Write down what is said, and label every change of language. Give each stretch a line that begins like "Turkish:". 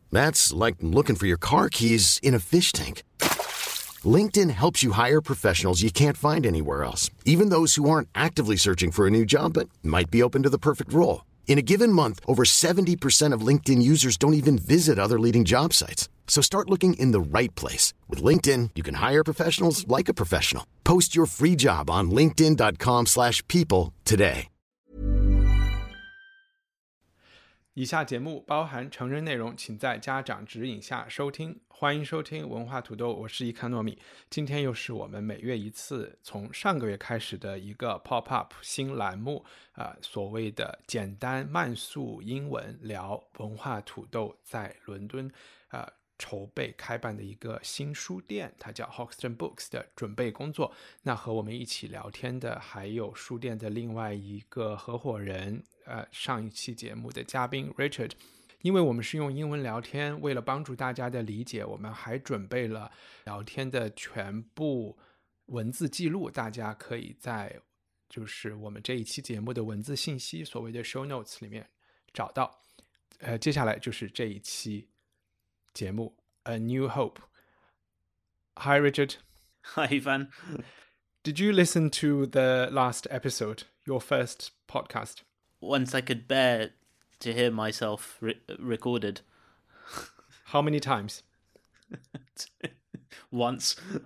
English: That's like looking for your car keys in a fish tank. LinkedIn helps you hire professionals you can't find anywhere else, even those who aren't actively searching for a new job but might be open to the perfect role. In a given month, over 70% of LinkedIn users don't even visit other leading job sites. So start looking in the right place. With LinkedIn, you can hire professionals like a professional. Post your free job on linkedin.com/people today.
Chinese: 以下节目包含成人内容，请在家长指引下收听。欢迎收听文化土豆，我是伊康糯米。今天又是我们每月一次从上个月开始的一个 pop-up 新栏目、所谓的简单慢速英文聊文化土豆在伦敦、筹备开办的一个新书店，它叫 Hoxton Books 的准备工作。那和我们一起聊天的还有书店的另外一个合伙人，上一期节目的嘉宾 Richard。因为我们是用英文聊天，为了帮助大家的理解，我们还准备了聊天的全部文字记录，大家可以在就是我们这一期节目的文字信息，所谓的 show notes 里面找到。接下来就是这一期节目 A New Hope。
English: Hi Richard. Hi Ivan. Did you listen to the last episode, your first podcast? Once I could bear to hear myself recorded. How many times? Once.